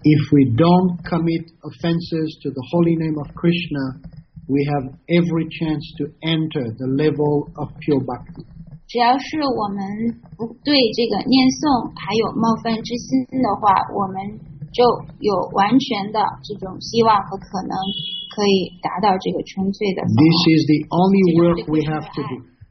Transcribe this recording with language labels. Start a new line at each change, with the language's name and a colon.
English: If we don't commit offenses to the holy name of Krishna, we have every chance to enter the level of pure bhakti.
Chinese: 只要是我们不对这个念诵还有冒犯之心的话, 我们就有完全的这种希望和可能可以达到这个纯粹的方法.
English: This is the only work we have to do.